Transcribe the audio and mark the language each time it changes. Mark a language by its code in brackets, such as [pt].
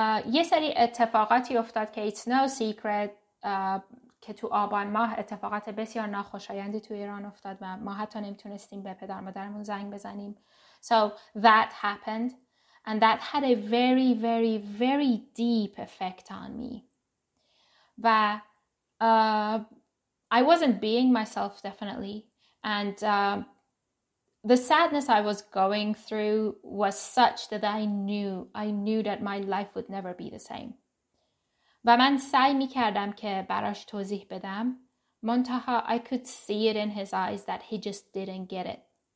[fa] یه سری اتفاقاتی افتاد که [en] it's no secret [fa] که تو آبان ماه اتفاقات بسیار ناخوشایندی تو ایران افتاد و ما حتی نمیتونستیم به پدر مادرمون زنگ بزنیم. [en] So that happened and that had a very very very deep effect on me. و I wasn't being myself definitely. And the sadness I was going through was such that I knew that my life would never be the same. [fa] و من سعی میکردم که براش توضیح بدم. [en] منتها I could see it in his eyes that he just didn't get it.